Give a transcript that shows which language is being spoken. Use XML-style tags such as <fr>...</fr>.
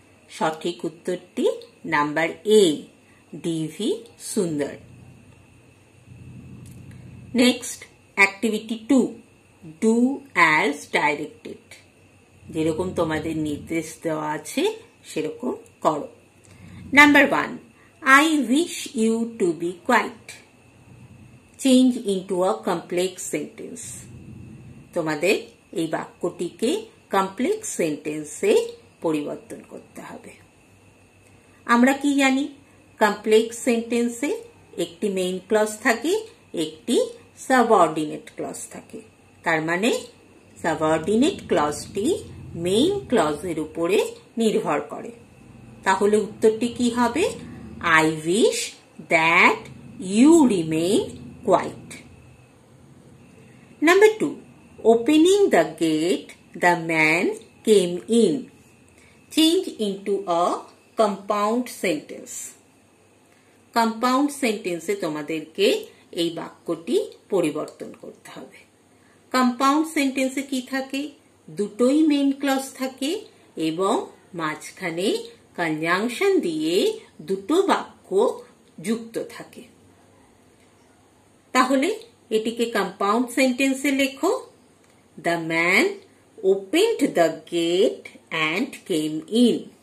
<bn>সঠিক উত্তরটি number A DV সুন্দর।</bn> <en>Next activity two, do as directed.</en> <bn>যেরকম তোমাদের নির্দেশ দেওয়া আছে সেরকম করো।</bn> <en>Number one, I wish you to be quiet. Change into a complex sentence.</en> <bn>তোমাদের এই বাক্যটিকে কমপ্লেক্স সেন্টেন্সে পরিবর্তন করতে হবে। আমরা কি জানি, কমপ্লেক্স সেন্টেন্সে একটি মেইন ক্লজ থাকে, একটি সাবঅর্ডিনেট ক্লজ থাকে। তার মানে সাবঅর্ডিনেট ক্লজটি মেইন ক্লজের উপরে নির্ভর করে। তাহলে উত্তরটি কি হবে?</bn> <en>I wish that you remain quiet. Number 2. Opening the gate, the man came in. Change into a compound sentence.</en> <bn>Compound sentence e tomaderke ei bakko ti poriborton korte hobe. Compound sentence e ki thake? Dutoi main clause thake ebong majkhane conjunction দিয়ে দুটো বাক্য যুক্ত থাকে। তাহলে এটিকে compound সেন্টেন্সে লেখো,</bn> <en>The man opened the gate and came in.</en>